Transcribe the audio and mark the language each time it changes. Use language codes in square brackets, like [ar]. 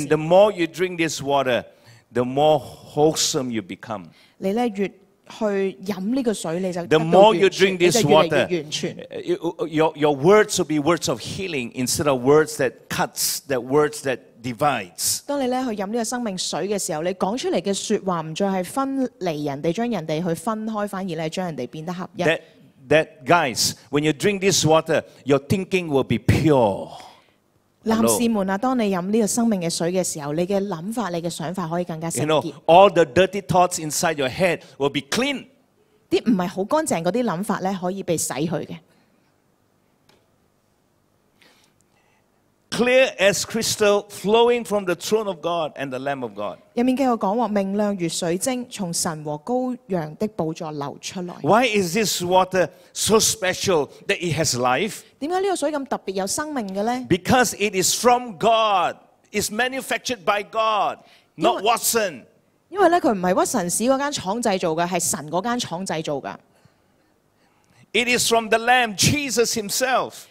[en] And the more you drink this water, the more wholesome you become. [yue] 你越去饮呢个水，你就越 [en] The more you drink this water, [yue] 越完全。 [en] Your words will be words of healing instead of words that cuts, that words that divides. [yue] 当你去饮呢个生命水嘅时候，你讲出嚟嘅说话唔再系分离人哋，将人哋去分开，反而咧将人哋变得合一。 [en] That guys, when you drink this water, your thinking will be pure. [yue] 男士们啊，当你饮呢个生命嘅水嘅时候，你嘅谂法、你嘅想法可以更加圣洁。 [en] You know, all the dirty thoughts inside your head will be clean. [yue] 啲唔系好干净嗰啲谂法咧，可以被洗去嘅。 [en] Clear as crystal, flowing from the throne of God and the Lamb of God. [yue] 入面继续讲话，明亮如水晶，从神和羔羊的宝座流出来。 [en] Why is this water so special that it has life? [yue] 点解呢个水咁特别有生命嘅咧 [en] ？Because it is from God. It's manufactured by God, not Watson. [yue] 因为咧，佢唔系屈臣氏嗰间厂制造嘅，系神嗰间厂制造噶。 [en] It is from the Lamb, Jesus Himself.